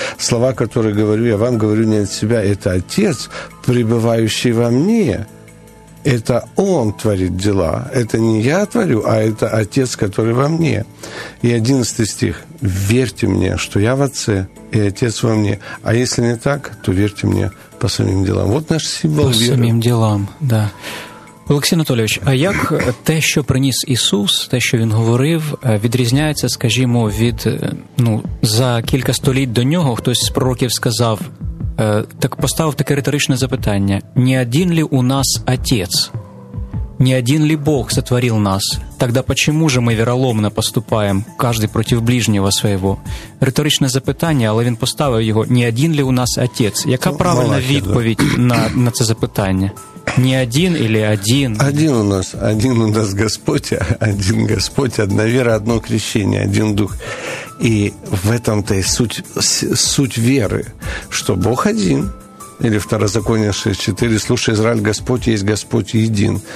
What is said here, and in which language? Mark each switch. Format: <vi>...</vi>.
<ru>Слова, которые говорю я вам, говорю не от себя, это Отец, пребывающий во мне. Это Он творит дела. Это не я творю, а это Отец, который во мне. И 11 стих. «Верьте мне, что я в Отце, и Отец во мне. А если не так, то верьте мне по самим делам». Вот наш символ веры. По самим делам, да.</ru> <uk>Олексій Анатолійович, а як те, що приніс Ісус, те, що Він говорив, відрізняється, скажімо, від, за кілька століть до Нього, хтось з пророків сказав, так поставив таке риторичне запитання.</uk> <ru>Не один ли у нас отець? Не один ли Бог сотворил нас? Тогда почему же мы вероломно поступаем, каждый против ближнего своего?</ru> <uk>Риторичное запитание, але він поставив його,</uk> <ru>не один ли у нас отец?</ru> <uk>Яка правильна відповідь на це запитання?</uk> <ru>Не один или один? Один у нас Господь, один Господь, одна вера, одно крещение, один Дух. И в этом-то и суть веры, что Бог один. Или Второзаконие 6.4. «Слушай, Израиль, Господь есть, Господь един».</ru>